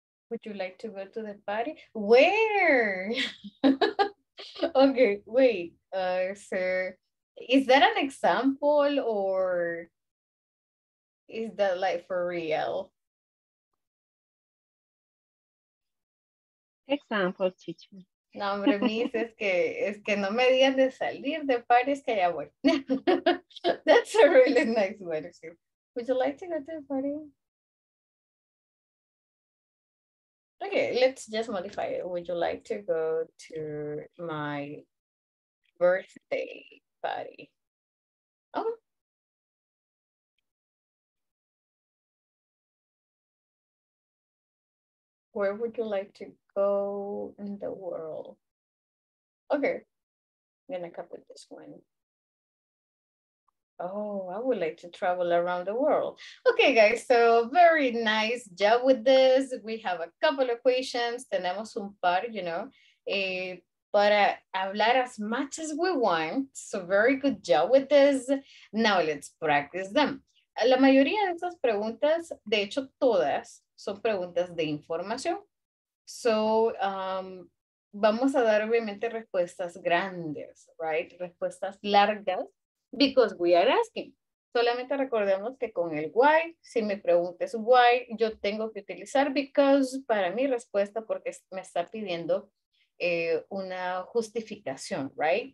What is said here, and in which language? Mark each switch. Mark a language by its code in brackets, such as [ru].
[en] Would you like to go to the party? Where? Okay, wait. Sir, is that an example or is that like for real? Example, teacher. [es] No, hombre, mis, es que no me digan de salir de party, es que ya voy. [en] That's a really nice one, sir. Would you like to go to the party? Okay, let's just modify it. Would you like to go to my birthday party? Okay. Where would you like to go in the world? Okay, I'm gonna copy this one. Oh, I would like to travel around the world. Okay, guys, so very nice job with this. We have a couple of questions. [es] Tenemos un par, [en] you know, [es] para hablar [en] as much as we want. So very good job with this. Now let's practice them. [es] La mayoría de estas preguntas, de hecho, todas son preguntas de información. So vamos a dar obviamente respuestas grandes, right? Respuestas largas. [en] Because we are asking. [es] Solamente recordemos que con el why, si me preguntes why, yo tengo que utilizar because para mi respuesta porque me está pidiendo una justificación, right?